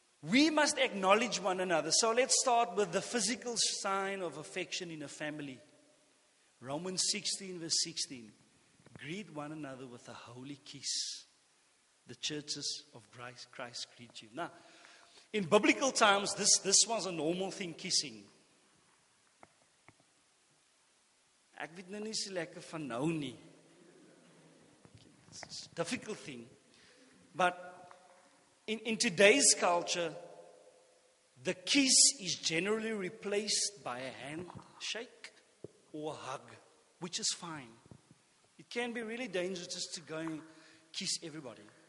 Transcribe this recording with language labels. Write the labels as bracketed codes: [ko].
[en] We must acknowledge one another. So let's start with the physical sign of affection in a family. Romans 16, verse 16. Greet one another with a holy kiss. The churches of Christ greet you. Now, in biblical times, this was a normal thing, kissing. [af] Ek weet nou nie so lekker van nou nie. [en] It's a difficult thing. But in today's culture, the kiss is generally replaced by a handshake or a hug, which is fine. It can be really dangerous just to go and kiss everybody.